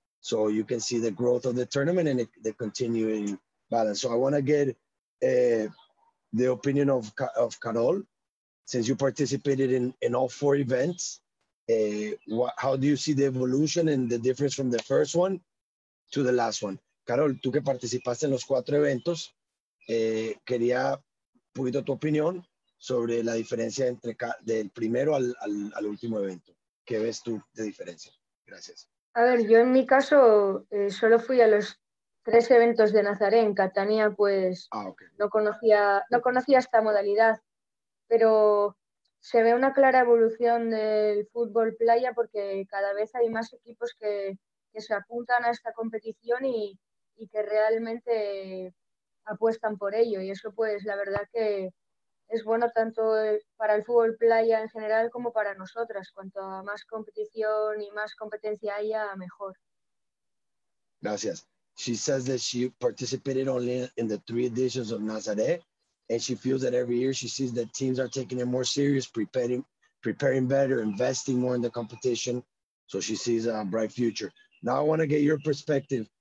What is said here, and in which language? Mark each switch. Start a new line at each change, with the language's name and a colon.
English: So you can see the growth of the tournament and the continuing balance. So I want to get... the opinion of Carol, since you participated in all four events. How do you see the evolution and the difference from the first one to the last one?
Spanish: Carol, tú que participaste en los cuatro eventos, quería un poquito tu opinión sobre la diferencia entre del primero al último evento. ¿Qué ves tú de diferencia? Gracias. A ver, yo en mi caso solo fui a los tres eventos de Nazaré. En Catania, pues no conocía esta modalidad, pero se ve una clara evolución del fútbol playa porque cada vez hay más equipos que se apuntan a esta competición y que realmente apuestan por ello. Y eso, pues, la verdad que es bueno tanto para el fútbol playa en general como para nosotras. Cuanto más competición y más competencia haya, mejor. Gracias.
English: She says that she participated only in the three editions of Nazaré, and she feels that every year she sees that teams are taking it more serious, preparing better, investing more in the competition. So she sees a bright future. Now I want to get your perspective.